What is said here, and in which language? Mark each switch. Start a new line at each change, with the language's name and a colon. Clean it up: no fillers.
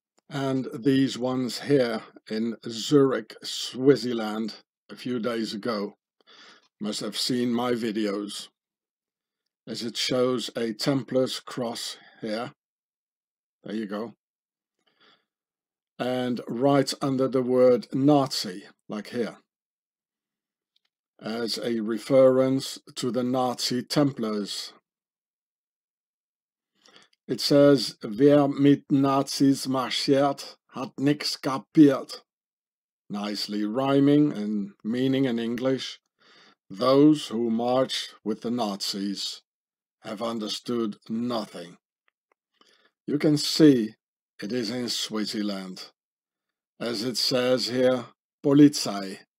English: And these ones here in Zurich, Switzerland, a few days ago, must have seen my videos, as it shows a Templar's cross here. There you go. And right under the word Nazi, like here, as a reference to the Nazi Templars. It says,
German: wer mit Nazis marschiert, hat nichts kapiert.
English: Nicely rhyming and meaning in English. Those who march with the Nazis have understood nothing. You can see it is in Switzerland. As it says here, Polizei.